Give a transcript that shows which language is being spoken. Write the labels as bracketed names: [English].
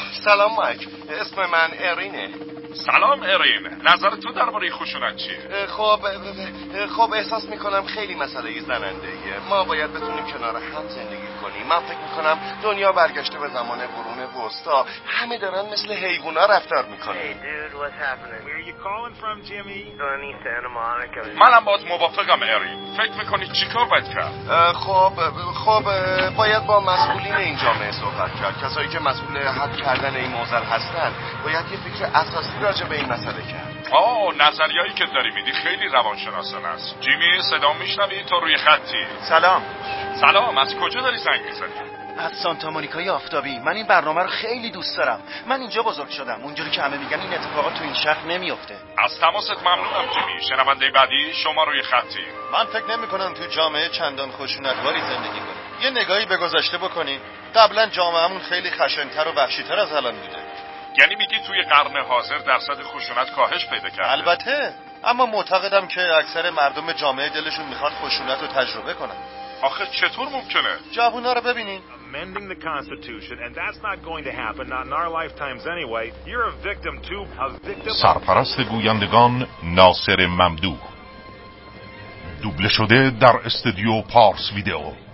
[Persian] سلام مایک، اسم من ارینه. سلام ارین، نظر تو درباره خشونت چیه؟ خب احساس میکنم خیلی مسئله زننده ایه. ما باید بتونیم کنار هم زندگی کنیم. من فکر میکنم دنیا برگشته به زمان قرون وسطا. همه دارن مثل حیوونا رفتار میکنن. [English] Hey dude, what's happening? Where are you calling from, Jimmy? Sunny Santa Monica. [Persian] منم باهات موافقم ارین. فکر میکنی چیکار باید کرد؟ خب باید با مسئولین این جامعه صحبت کرد. کسایی که مسئول حل کردن این موضوع هستن. باید یه فکر اساسی راجع به این مسئله کرد. نظریایی که داری میدی خیلی روانشناسان است. جیمی صدا میشنوی تو روی خطی. سلام از کجا داری زنگ میزنی؟ از سانتا مونیکای آفتابی. من این برنامه رو خیلی دوست دارم. من اینجا بزرگ شدم. اونجوری که همه میگن این اتفاقات تو این شهر نمیفته. از تماست ممنونم جیمی. شنونده بعدی شما روی خطی. من فکر نمیکنم تو جامعه چندان خوشونتواری زندگی کنم. یه نگاهی به گذشته بکنین. قبلا جامعهمون خیلی خشنتر و وحشیتر از الان بوده. یعنی میگی توی قرن حاضر درصد خشونت کاهش پیدا کرده؟ البته، اما معتقدم که اکثر مردم جامعه دلشون میخواد خشونت رو تجربه کنن. آخه چطور ممکنه؟ جوونا رو ببینین. [English] Amending the constitution and that's not going to happen not in our lifetimes anyway. You're a victim too. A victim. [Persian] سرپرست گویندگان ناصر ممدوح. دوبله شده در استودیو پارس ویدئو.